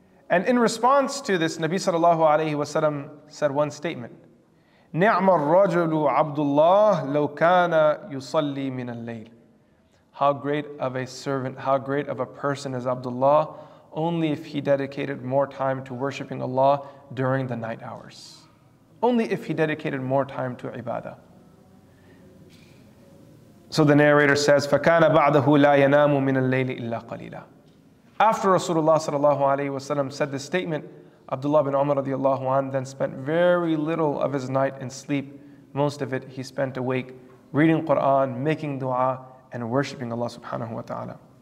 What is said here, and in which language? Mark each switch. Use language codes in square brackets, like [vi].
[en] And in response to this, Nabi sallallahu alayhi wa sallam said one statement, [ar] Ni'ma ar-rajulu Abdullah law kana yusalli min al-layl. [en] How great of a servant, how great of a person is Abdullah, only if he dedicated more time to worshiping Allah during the night hours. Only if he dedicated more time to ibadah. So the narrator says, [ar] فَكَانَ بَعْدَهُ لَا يَنَامُ مِنَ اللَّيْلِ إِلَّا قَلِيلًا. [en] After Rasulullah sallallahu alayhi wa sallam said this statement, Abdullah bin Umar radiallahu anhu then spent very little of his night in sleep. Most of it he spent awake, reading Quran, making dua, and worshiping Allah subhanahu wa ta'ala.